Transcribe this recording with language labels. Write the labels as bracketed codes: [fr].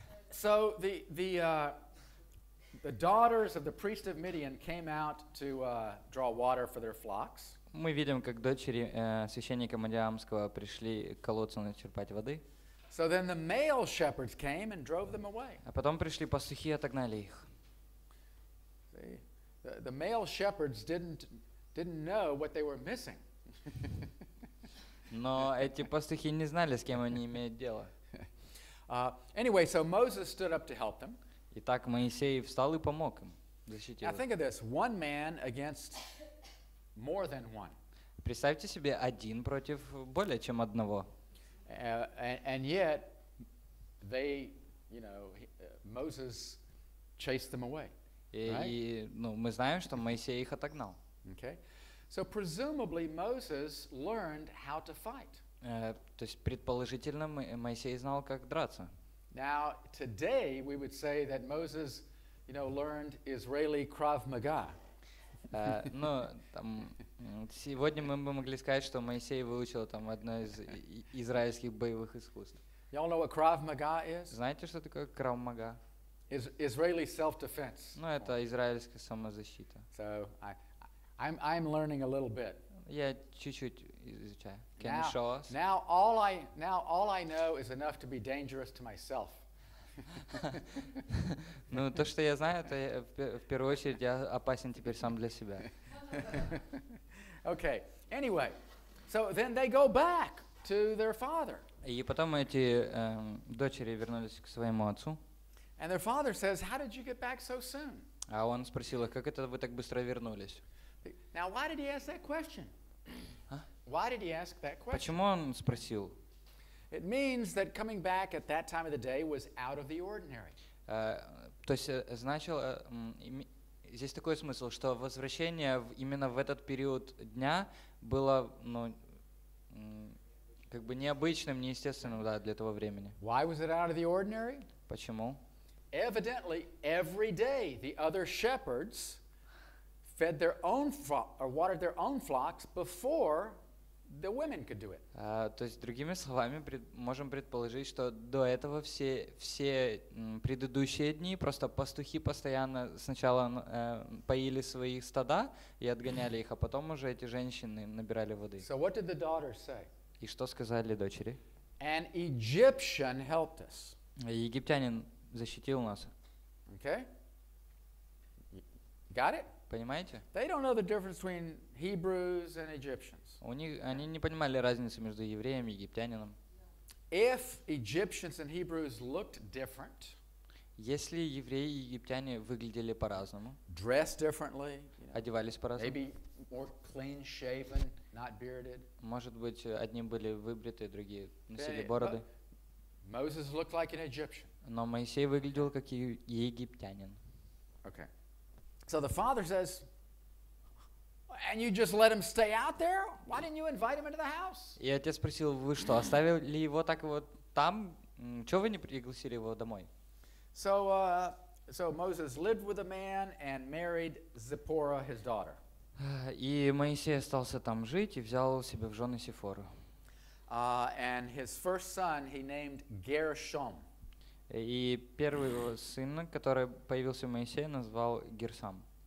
[en] So the daughters of the priest of Midian came out to draw water for their flocks. [ru] Мы видим, как дочери священника Мадиамского пришли к колодцу начерпать воды. [en] So then the male shepherds came and drove them away. [ru] А потом пришли пастухи и отогнали их. [en] The male shepherds didn't know what they were missing. [ru] Но эти пастухи не знали, с кем они имеют дело. [en] Anyway, so Moses stood up to help them. [ru] Итак, Моисей встал и помог им. защитил. [en] Now think of this: one man against more than one. [ru] Представьте себе один против более чем одного. [en] And yet, they, you know, Moses chased them away. [ru] И, ну, мы знаем, что Моисей их отогнал. [en] Okay. So presumably Moses learned how to fight. [ru] То есть предположительно Моисей знал, как драться. [en] Now today we would say that Moses, you know, learned Israeli Krav Maga. [ru] Ну, там, сегодня мы бы могли сказать, что Моисей выучил там одно из израильских боевых искусств. [en] Y'all know what Krav Maga is? [ru] Знаете, что такое Krav Maga? [en] Israeli self-defense. [ru] Ну, это израильская самозащита. [en] So I'm learning a little bit. [ru] Я чуть-чуть изучаю. [en] Can now, you show us? Now all I know is enough to be dangerous to myself. [ru] Ну, то, что я знаю, это в первую очередь я опасен теперь сам для себя. [en] Okay. Anyway, so then they go back to their father. [ru] И потом эти дочери вернулись к своему отцу. [en] And their father says, "How did you get back so soon?" [ru] А он спросил их, как это вы так быстро вернулись? [en] Now, why did he ask that question? Why did he ask that question? [ru] Почему он спросил? [en] It means that coming back at that time of the day was out of the ordinary. [ru] То есть значило, здесь такой смысл, что возвращение именно в этот период дня было, ну, как бы необычным, неестественным, да, для того времени. [en] Why was it out of the ordinary? [ru] Почему? [en] Evidently, every day the other shepherds fed their own or watered their own flocks before the women could do it. [ru] То есть другими словами, можем предположить, что до этого все предыдущие дни просто пастухи постоянно сначала поили свои стада и отгоняли их, а потом уже эти женщины набирали воды. [en] So what did the daughters say? [ru] И что сказали дочери? [en] An Egyptian helped us. [ru] Египтянин защитил нас. [en] Okay. Got it? [ru] Понимаете? [en] They don't know the difference between Hebrews and Egyptians. [ru] Они не понимали разницы между евреем и египтянином. [en] If Egyptians and Hebrews looked different, [ru] если евреи и египтяне выглядели по-разному, [en] dressed differently, [ru] одевались по-разному, [en] maybe more clean-shaven, not bearded, [ru] может быть, одни были выбриты, другие носили бороды. [en] Moses looked like an Egyptian. [ru] Но Моисей выглядел как египтянин. [en] Okay. So the father says, and you just let him stay out there? Why didn't you invite him into the house? [ru] И отец спросил: вы что, оставили его так вот там? Чего вы не пригласили его домой? [en] So Moses lived with a man and married Zipporah, his daughter. [ru] И Моисей остался там жить и взял себе в жены Сифору. [en] And his first son he named Gershom. [ru] И первый его сын, который появился у Моисея, назвал Герсам.